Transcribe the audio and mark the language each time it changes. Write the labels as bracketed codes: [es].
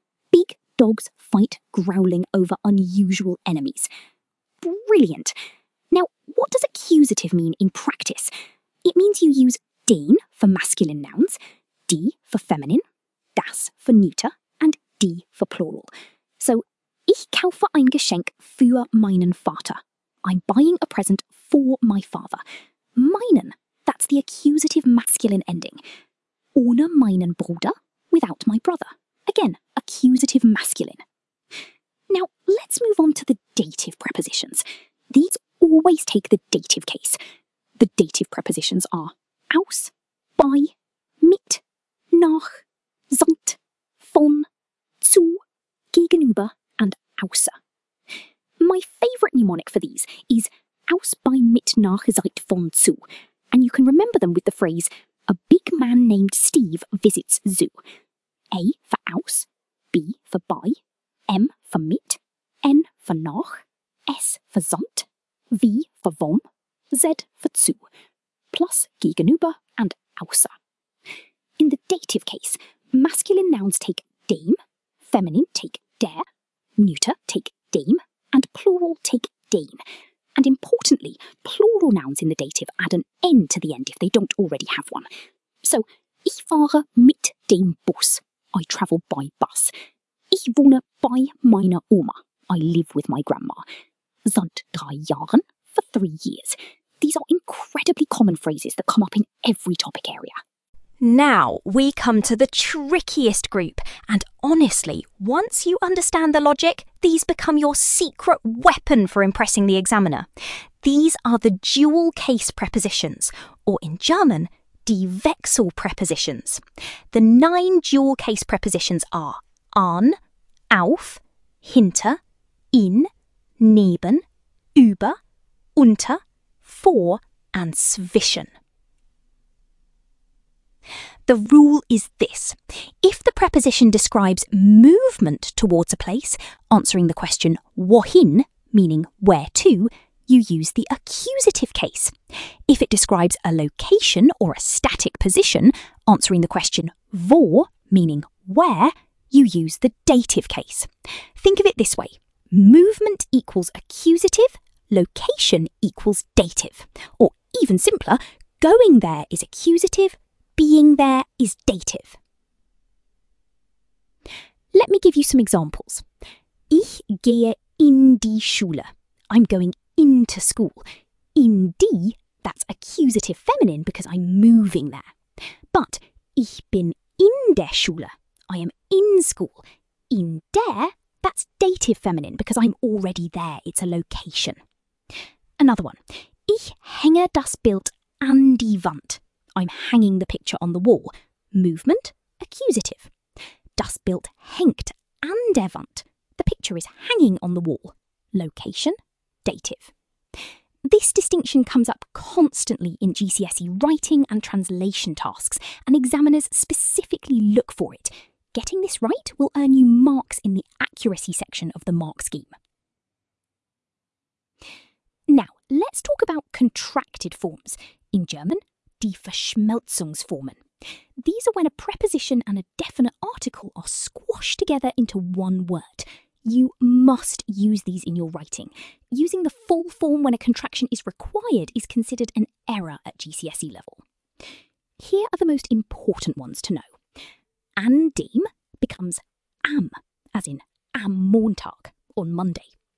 [en] Big dogs fight growling over unusual enemies. Brilliant. Now, what does accusative mean in practice? It means you use den for masculine nouns, D for feminine, das for neuter, and D for plural. [de] So, ich kaufe ein Geschenk für meinen Vater. [en] I'm buying a present for my father. Meinen, that's the accusative masculine ending. [de] Ohne meinen Bruder, [en] without my brother. Again, accusative masculine. Now, let's move on to the dative prepositions. These always take the dative case. The dative prepositions are aus, bei, mit, nach, seit, von, zu, gegenüber, and außer. My favourite mnemonic for these is aus, bei, mit, nach, seit, von, zu. And you can remember them with the phrase a big man named Steve visits zoo. A for aus, B for bei, M for mit, N for nach, S for seit, V for von, Z for zu, plus gegenüber and außer. In the dative case, masculine nouns take dem, feminine take der, neuter take dem, and plural take den. And importantly, plural nouns in the dative add an N to the end if they don't already have one. [de] So, ich fahre mit dem Bus. [en] I travel by bus. [de] Ich wohne bei meiner Oma. [en] I live with my grandma. [de] Seit 3 Jahren, [en] for 3 years. These are incredibly common phrases that come up in every topic area. Now, we come to the trickiest group. And honestly, once you understand the logic, these become your secret weapon for impressing the examiner. These are the dual case prepositions, or in German, die Wechselpräpositions. The 9 dual case prepositions are an, auf, hinter, in, neben, über, unter, vor, and zwischen. The rule is this. If the preposition describes movement towards a place, answering the question wohin, meaning where to, you use the accusative case. If it describes a location or a static position, answering the question wo, meaning where, you use the dative case. Think of it this way. Movement equals accusative, location equals dative. Or even simpler, going there is accusative, being there is dative. Let me give you some examples. [de] Ich gehe in die Schule. [en] I'm going into school. In die, that's accusative feminine because I'm moving there. But [de] ich bin in der Schule. [en] I am in school. In der, that's dative feminine because I'm already there. It's a location. Another one. Ich [de] Hänger das Bild an die Wand. [en] I'm hanging the picture on the wall. Movement, accusative. [de] Das Bild hängt an der Wand. [en] The picture is hanging on the wall. Location, dative. This distinction comes up constantly in GCSE writing and translation tasks, and examiners specifically look for it. Getting this right will earn you marks in the accuracy section of the mark scheme. Now, let's talk about contracted forms. In German, die Verschmelzungsformen. These are when a preposition and a definite article are squashed together into one word. You must use these in your writing. Using the full form when a contraction is required is considered an error at GCSE level. Here are the most important ones to know. An dem becomes am, as in [de] am Montag, [en] on Monday.